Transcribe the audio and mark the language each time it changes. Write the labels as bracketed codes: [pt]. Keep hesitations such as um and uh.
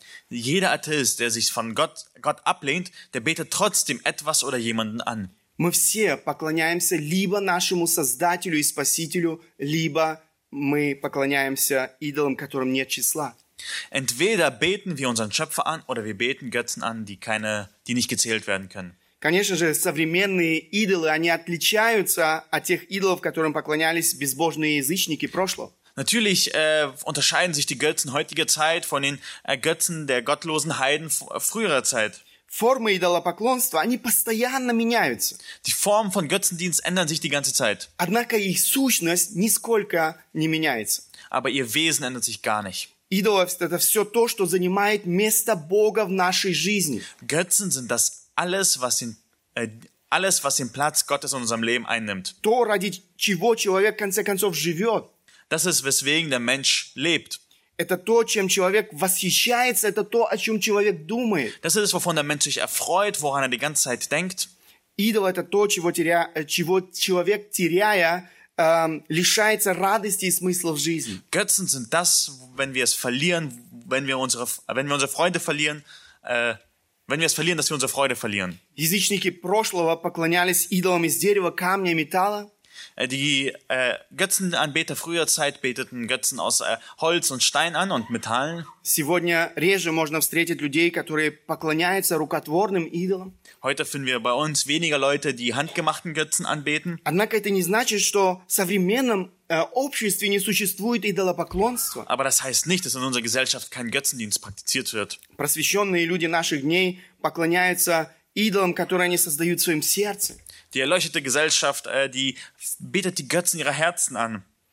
[de] Jeder Atheist, der sich von Gott, Gott ablehnt, der betet trotzdem etwas oder jemanden an. [ru] мы все поклоняемся либо нашему Создателю и Спасителю, либо мы поклоняемся идолам, которым нет числа. [de] Entweder beten wir unseren Schöpfer an oder wir beten Götzen an, die, keine, die nicht gezählt werden können. [ru] Конечно же, современные идолы, они отличаются от тех идолов, которым поклонялись безбожные язычники прошлого. [de] Natürlich äh, unterscheiden sich die Götzen heutiger Zeit von den äh, Götzen der gottlosen Heiden früherer Zeit [ru] формы идолопоклонства, они постоянно меняются. [de] Die Form von Götzendienst ändern sich die ganze Zeit. [ru] Однако их сущность нисколько не меняется. [de] Aber ihr Wesen ändert sich gar nicht. [ru] Идолы – это все то, что занимает место Бога в нашей жизни. [de] Götzen sind das alles, was in, äh, alles, was den Platz Gottes in unserem Leben einnimmt. [ru] То, ради чего человек в конце концов живет. [de] Das ist, weswegen der Mensch lebt. [ru] Это то, чем человек восхищается, это то, о чем человек думает. [de] Das ist es, wovon der Mensch sich erfreut, woran er die ganze Zeit denkt. [ru] Идол это то, чего, теря... чего человек теряя, ähm, лишается радости и смысла в жизни. [de] Götzen sind das, wenn wir es verlieren, wenn wir unsere, wenn wir unsere Freude verlieren, äh, Wenn wir es verlieren, dass wir unsere Freude verlieren. [ru] Язычники прошлого поклонялись идолам из дерева, камня и металла. [de] Die äh, Götzenanbeter früher Zeit beteten Götzen aus äh, Holz und Stein an und Metallen. [ru] Сегодня реже можно встретить людей, которые поклоняются рукотворным идолам. [de] Heute finden wir bei uns weniger Leute, die handgemachten Götzen anbeten. [ru] Однако это не значит, что в современном äh, обществе не существует идолопоклонства. [de] Aber das heißt nicht, dass in unserer Gesellschaft kein Götzendienst praktiziert wird. [ru] Просвещенные люди наших дней поклоняются идолам, которые они создают в своем сердце. [de] die erleuchtete Gesellschaft, äh, die betet die Götzen ihrer Herzen an.